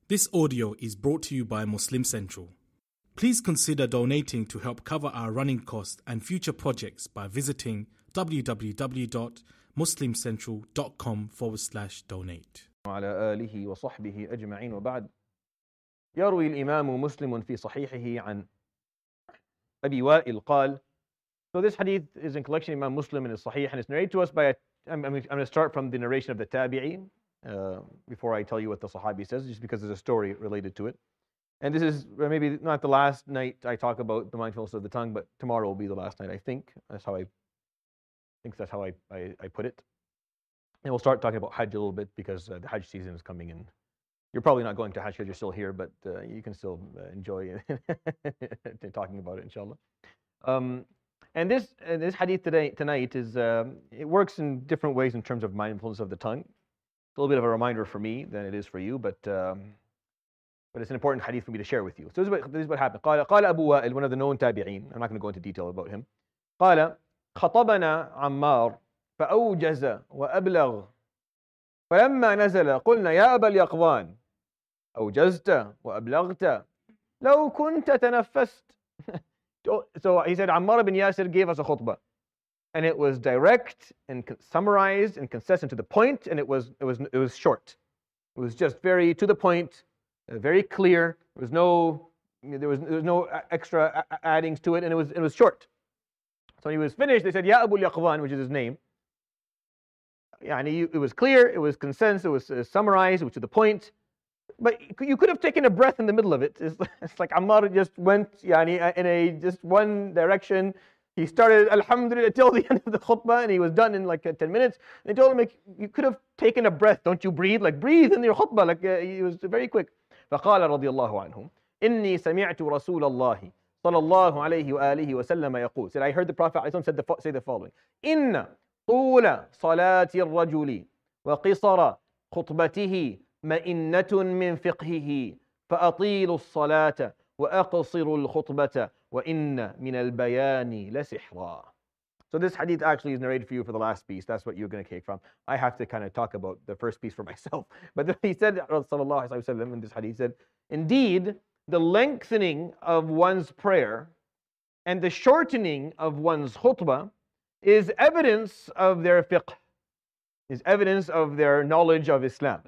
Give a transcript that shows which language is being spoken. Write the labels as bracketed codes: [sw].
[en] This audio is brought to you by Muslim Central. Please consider donating to help cover our running costs and future projects by visiting www.muslimcentral.com/donate. [ar] على آله وصحبه أجمعين وبعد يروي الإمام مسلم في صحيحه عن أبي وائل قال. [en] So this hadith is in collection of Imam Muslim in his Sahih, and it's narrated to us by I'm going to start from the narration of the Tabi'in. Before I tell you what the Sahabi says, just because there's a story related to it. And this is maybe not the last night I talk about the mindfulness of the tongue, but tomorrow will be the last night, I think. That's how I put it. And we'll start talking about Hajj a little bit, because the Hajj season is coming, and you're probably not going to Hajj because you're still here, but you can still enjoy talking about it, inshallah. And this hadith tonight is it works in different ways in terms of mindfulness of the tongue. A little bit of a reminder for me than it is for you, but it's an important hadith for me to share with you. So this is what happened. [ar] قال أبو وائل, [en] one of the known تابعين. I'm not going to go into detail about him. [ar] قال خطبنا عمار فأوجز وأبلغ فلما نزل قلنا يا أبا اليقظان أوجزت وأبلغت لو كنت تنفست. [en] So he said عمار بن ياسر gave us a khutbah. And it was direct and summarized and consistent to the point, and it was short. It was just very to the point, very clear. There was no extra addings to it, and it was short. So when he was finished, they said, "Ya Abu Yaqwan," which is his name. Yeah, and it was clear. It was consensus. It was summarized. It was to the point. But you could have taken a breath in the middle of it. It's like Ammar just went, in one direction. He started alhamdulillah till the end of the khutbah, and he was done in like 10 minutes. They told him, like, you could have taken a breath. Don't you breathe? Like, breathe in your khutbah. Like, he was very quick. [ar] فقال رضي الله عنه إني سمعت رسول الله صلى الله عليه وآله وسلم يقول. [en] Said, I heard the Prophet ﷺ say the following. [ar] إن طول صلاة الرجل وقصر خطبته مئنة من فقهه فأطيل الصلاة وأقصر الخطبة وَإِنَّ مِنَ الْبَيَانِ لَسِحْرًا. [en] So this hadith actually is narrated for you for the last piece. That's what you're going to take from. I have to kind of talk about the first piece for myself. But he said, Rasulullah ﷺ in this hadith, he said, indeed, the lengthening of one's prayer and the shortening of one's khutbah is evidence of their fiqh, is evidence of their knowledge of Islam.